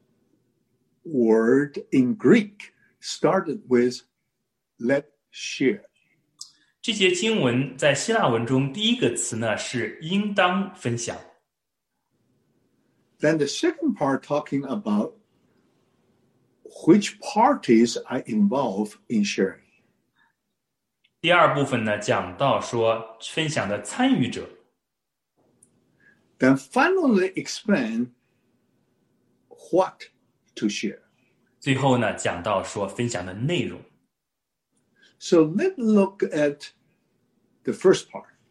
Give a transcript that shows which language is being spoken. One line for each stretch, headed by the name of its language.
English: The first word in Greek started with let share.
Chinese: 这节经文在希腊文中第一个词呢是应当分享。
English: Then the second part talking about which parties are involved in sharing.
Chinese: 第二部分呢讲到说分享的参与者。
English: Then finally explain what to share.
Chinese: 最后呢，讲到说分享的内容。
English: So let's look at the first part.